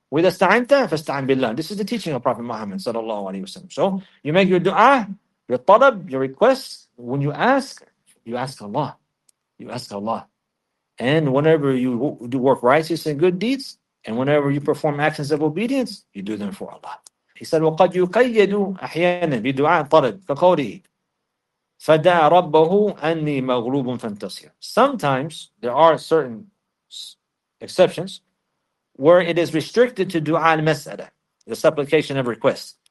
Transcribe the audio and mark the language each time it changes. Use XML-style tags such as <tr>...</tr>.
<ar>وَإِذَا اسْتَعَنْتَ فَاسْتَعَنْ بِاللَّهِ.</ar> <en>This is the teaching of Prophet Muhammad sallallahu alayhi wa sallam. So you make your dua, your talab, your request. When you ask Allah. You ask Allah. And whenever you do work righteous and good deeds, and whenever you perform actions of obedience, you do them for Allah. He said,</en> <ar>وَقَدْ يُقَيَّدُ أَحْيَانًا بِدُعَاءٍ طَلَبْ كَقَوْلِهِ فَدَعَ رَبَّهُ أَنِّي مَغْلُوبٌ فَانْتَصِرْ.</ar> <en>Sometimes there are certain exceptions where it is restricted to dua al-mas'ala, the supplication of request.</en>